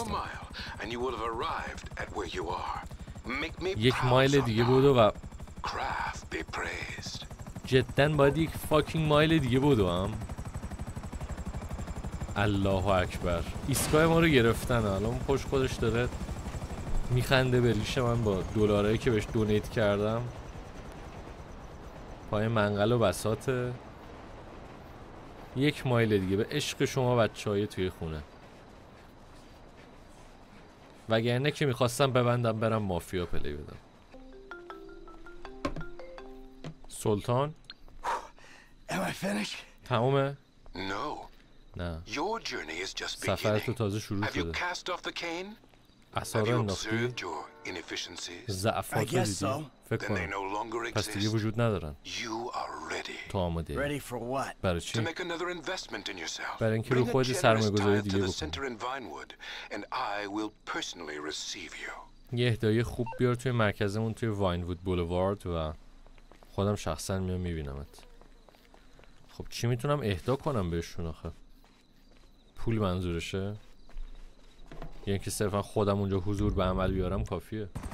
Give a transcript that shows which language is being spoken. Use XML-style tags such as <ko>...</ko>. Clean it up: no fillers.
<en>One more mile and you will have arrived at where you are. Make me proud.</en> <fa>یک مایل دیگه بود و</fa> <en>Craft be praised.</en> <fa>جدن باید یک فاکینگ مایل دیگه بودم. الله اکبر. ایسکای ما رو گرفتن. الان پشت خودش داره میخنده به ریش من با دلارایی که بهش دونیت کردم. پای منقل و بساط. یک مایل دیگه به عشق شما بچهای توی خونه. وگرنه که میخواستم ببندم برم مافیا پلی بدم. سلطان</fa> <en>Am I finished?</en> <fa>تمومه؟</fa> <en>No. Your journey is just beginning. Have you cast off the cane? Have you observed your inefficiencies? I guess so. Then they no longer exist. You are ready. Ready for what? To make another investment in yourself. Bring a generous tithe to the center in Vinewood, and I will personally receive you.</en> <fa>یه هدیه خوب بیار توی مرکزمون توی واینوود بولوارد و خودم شخصا میام میبینمت. خب چی میتونم اهدا کنم بهشون آخه؟ پول منظورشه؟ یعنی که صرفا خودم اونجا حضور به عمل بیارم کافیه.</fa>